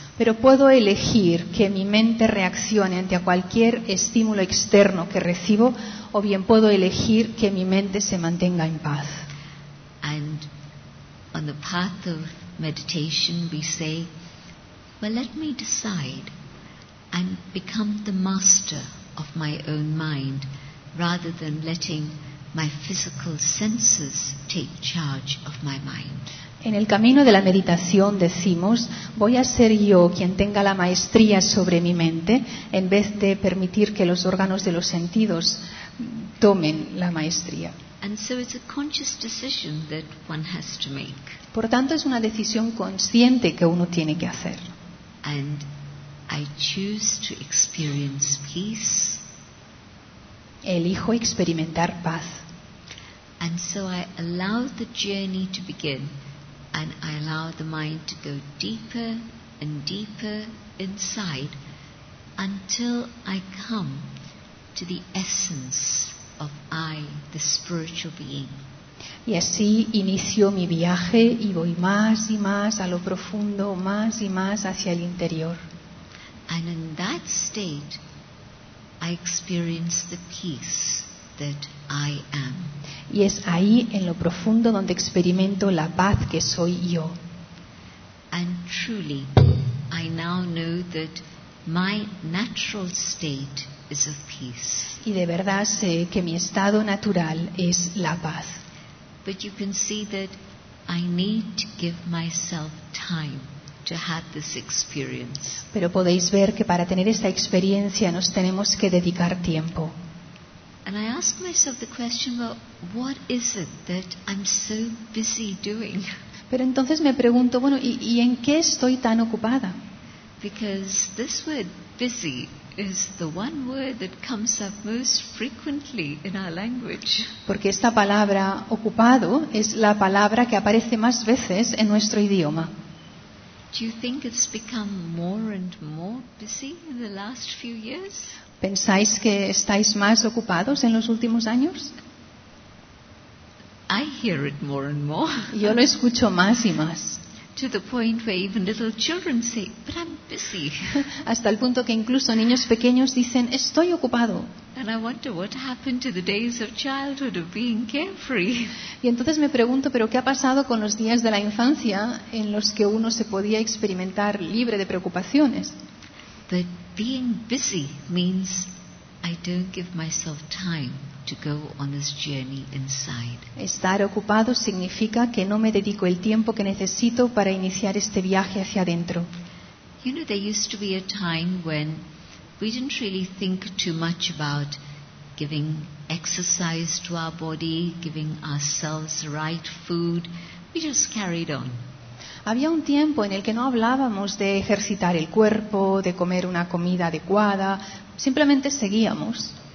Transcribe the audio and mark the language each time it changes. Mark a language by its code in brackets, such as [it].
[es] Pero puedo elegir que mi mente reaccione ante cualquier estímulo externo que recibo, o bien puedo elegir que mi mente se mantenga en paz. [en] And on the path of meditation, we say, well, let me decide. And become the master of my own mind rather than letting my physical senses take charge of my mind. [es] En el camino de la meditación decimos, voy a ser yo quien tenga la maestría sobre mi mente, en vez de permitir que los órganos de los sentidos tomen la maestría. [en] And so it's a conscious decision that one has to make. [es] Por tanto, es una decisión consciente que uno tiene que hacer. [en] And I choose to experience peace. [es] Elijo experimentar paz. [en] And so I allow the journey to begin, and I allow the mind to go deeper and deeper inside until I come to the essence of I, the spiritual being. [es] Y así inicio mi viaje y voy más y más a lo profundo, más y más hacia el interior. [en] And in that state, I experience the peace that I am. [es] Y es ahí, en lo profundo, donde experimento la paz que soy yo. [en] And truly, I now know that my natural state is of peace. [es] Y de verdad sé que mi estado natural es la paz. [en] But you can see that I need to give myself time to have this experience. [es] Pero podéis ver que para tener esta experiencia nos tenemos que dedicar tiempo. [en] And I ask myself the question, well, what is it that I'm so busy doing? [es] Pero entonces me pregunto, bueno, ¿y en qué estoy tan ocupada? [en] Because this word busy is the one word that comes up most frequently in our language. [es] Porque esta palabra ocupado es la palabra que aparece más veces en nuestro idioma. [en] Do you think it's become more and more busy in the last few years? [es] ¿Pensáis que estáis más ocupados en los últimos años? [en] I hear it more and more. [es] Yo lo escucho más y más. [en] To the point where even little children say, "But I'm busy." [es] Hasta el punto que incluso niños pequeños dicen, "Estoy ocupado." [en] And I wonder what happened to the days of childhood of being carefree. [es] Y entonces me pregunto, pero qué ha pasado con los días de la infancia en los que uno se podía experimentar libre de preocupaciones. [en] But being busy means I don't give myself time to go on this journey inside. [es] Estar ocupado significa que no me dedico el tiempo que necesito para iniciar este viaje hacia adentro. [en] You know, there used to be a time when we didn't really think too much about giving exercise to our body, giving ourselves the right food. We just carried on. [es] Había un tiempo en el que no hablábamos de ejercitar el cuerpo, de comer una comida adecuada, simplemente seguíamos.